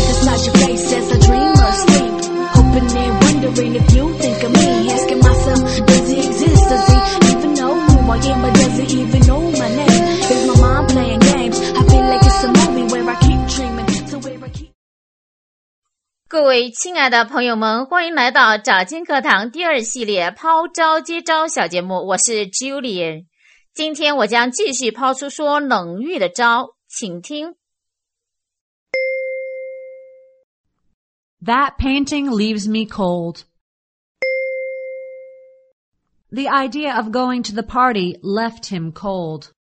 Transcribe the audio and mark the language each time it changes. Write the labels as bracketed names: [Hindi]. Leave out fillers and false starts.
[English] wash your face as I dream or sleep. Hoping and wondering if you think of me. Asking myself, does he exist? Does he even know who I am? Or does he even know my name? Is my mind playing games? I feel like it's a movie where I keep dreaming. [Chinese] 各位亲爱的朋友们，欢迎来到找金课堂第二系列抛招接招小节目，我是 Julian。今天我将继续抛出说冷遇的招，请听。 [English] That painting leaves me cold. The idea of going to the party left him cold.